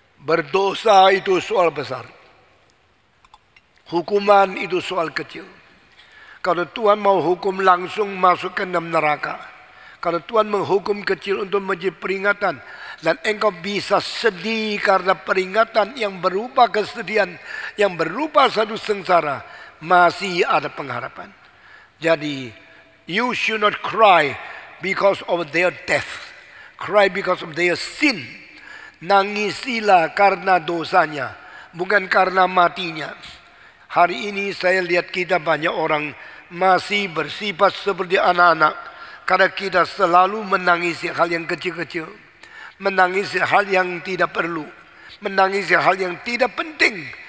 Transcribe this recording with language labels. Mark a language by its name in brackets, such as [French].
[Indonesian] Berdosa itu soal besar. Hukuman itu soal kecil. Kalau Tuhan mau hukum langsung masuk ke dalam neraka. Kalau Tuhan menghukum kecil untuk menjadi peringatan. Dan engkau bisa sedih karena peringatan yang berupa kesedihan. Yang berupa satu sengsara. Masih ada pengharapan. [English] Jadi, you should not cry because of their death. Cry because of their sin. [Indonesian] Nangisilah karena dosanya. Bukan karena matinya. Hari ini saya lihat kita banyak orang masih bersifat seperti anak-anak. Karena kita selalu menangisi hal yang kecil-kecil. Menangisi hal yang tidak perlu. Menangisi hal yang tidak penting.